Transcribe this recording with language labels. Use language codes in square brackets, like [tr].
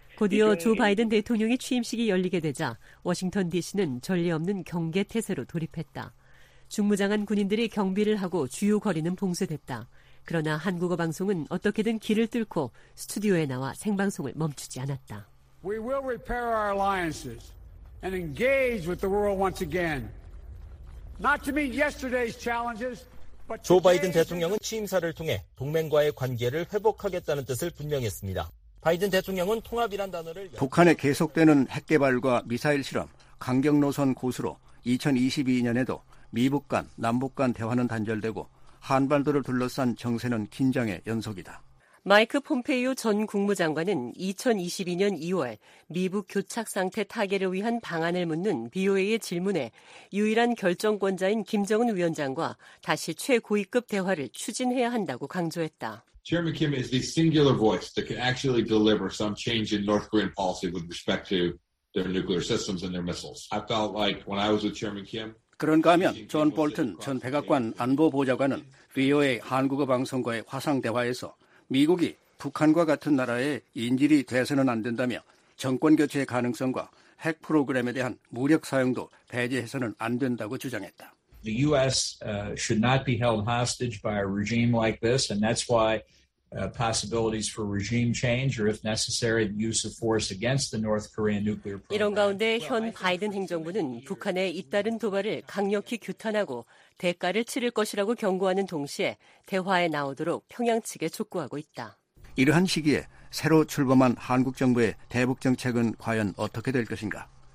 [ko] 곧이어 조 바이든 대통령의 취임식이 열리게 되자 워싱턴 DC는 전례 없는 경계태세로 돌입했다. 중무장한 군인들이 경비를 하고 주요 거리는 봉쇄됐다. 그러나 한국어 방송은 어떻게든 길을 뚫고 스튜디오에 나와 생방송을 멈추지 않았다. [en] We will repair our alliances and engage with the world once again. Not to meet yesterday's challenges. [ko] 조 바이든 대통령은 취임사를 통해 동맹과의 관계를 회복하겠다는 뜻을 분명했습니다. 바이든 대통령은 통합이란 단어를 북한의 계속되는 핵개발과 미사일 실험, 강경노선 고수로 2022년에도 미북 간, 남북 간 대화는 단절되고 한반도를 둘러싼 정세는 긴장의 연속이다. 마이크 폼페이오 전 국무장관은 2022년 2월 미북 교착 상태 타개를 위한 방안을 묻는 BOA의 질문에 유일한 결정권자인 김정은 위원장과 다시 최고위급 대화를 추진해야 한다고 강조했다. [en] Chairman Kim is the singular voice that can actually deliver some change in North Korean policy with respect to their nuclear systems and their missiles. I felt like when I was with Chairman Kim. [ko] 그런가 하면 존 볼튼 전 백악관 안보보좌관은 BOA 한국어 방송과의 화상 대화에서 미국이 북한과 같은 나라의 인질이 돼서는 안 된다며 정권교체의 가능성과 핵 프로그램에 대한 무력 사용도 배제해서는 안 된다고 주장했다. [en] The U.S. Should not be held hostage by a regime like this, and that's why possibilities for regime change or, if necessary, use of force against the North Korean nuclear program. [ko] 이런 가운데 현 바이든 행정부는 북한의 잇따른 도발을 강력히 규탄하고 대가를 치를 것이라고 경고하는 동시에 대화에 나오도록 평양 측에 촉구하고 있다. 이러한 시기에 새로 출범한 한국 정부의 대북 정책은 과연 어떻게 될 것인가?